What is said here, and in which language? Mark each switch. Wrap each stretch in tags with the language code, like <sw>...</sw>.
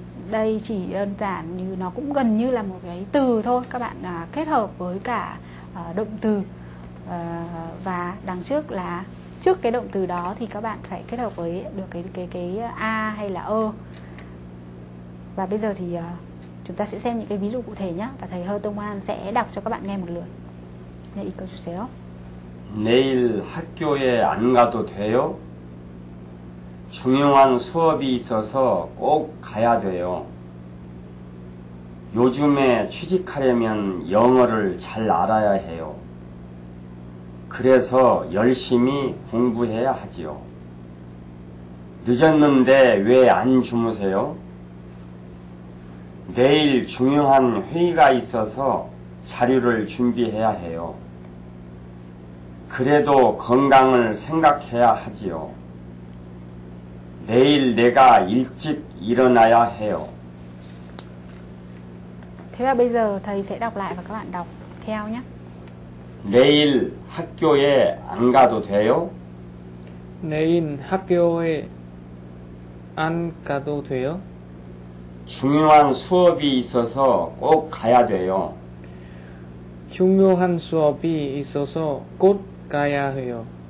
<vi>Đây chỉ đơn giản như nó cũng gần như là một cái từ thôi, các bạn kết hợp với cả động từ, và đằng trước là trước cái động từ đó thì các bạn phải kết hợp với được cái a hay là ơ. Và bây giờ thì chúng ta sẽ xem những cái ví dụ cụ thể nhé, và thầy Hơ Tông Hoan sẽ đọc cho các bạn nghe một lượt.</vi> <ko>네, 읽어주세요. 내일 학교에 안 가도 돼요? 중요한 수업이 있어서 꼭 가야 돼요. 요즘에 취직하려면 영어를 잘 알아야 해요. 그래서 열심히 공부해야 하지요. 늦었는데 왜 안 주무세요? 내일 중요한 회의가 있어서 자료를 준비해야 해요. 그래도 건강을 생각해야 하지요. 내일 내가 일찍 일어나야 해요.</ko> <vi>Thế là bây giờ thầy sẽ đọc lại và các bạn đọc theo nhé.</vi> <ko>내일 학교에 안 가도 돼요? 내일 학교에 안 가도 돼요? 중요한 수업이 있어서 꼭 가야 돼요. 중요한 수업이 있어서 꼭 가야 해요.</ko>